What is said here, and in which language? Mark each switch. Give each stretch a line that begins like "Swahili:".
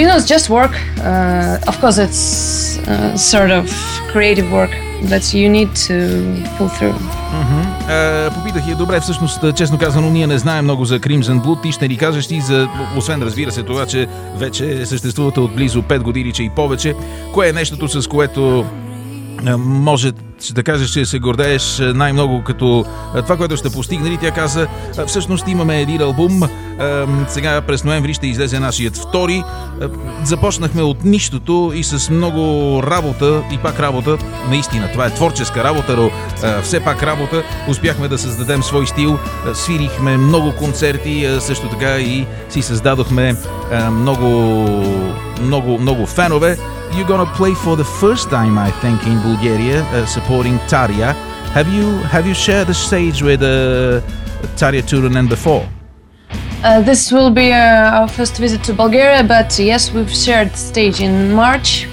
English: Just work, of course it's sort of creative work. That you need to pull through.
Bulgarian: Попитах я, добре, всъщност, честно казано, ние не знаем много за Crimson Blue. Ти ще ни кажеш ти, за, освен разбира се това, че вече съществувате от близо 5 години, че и повече, кое е нещото, с което може да кажеш, че се гордееш най-много като това, което ще постигнали? Тя каза, всъщност имаме един албум, сега през ноември ще излезе нашият втори. Започнахме от нищото и с много работа, и пак работа, наистина, това е творческа работа, но все пак работа, успяхме да създадем свой стил, свирихме много концерти, също така и си създадохме много, много, много фенове.
English: You're gonna play for the first time, I think, in Bulgaria, supporting Tarja. Have you shared the stage with Tarja Turunen before? This will be our first visit to Bulgaria, but yes, we've shared stage in March.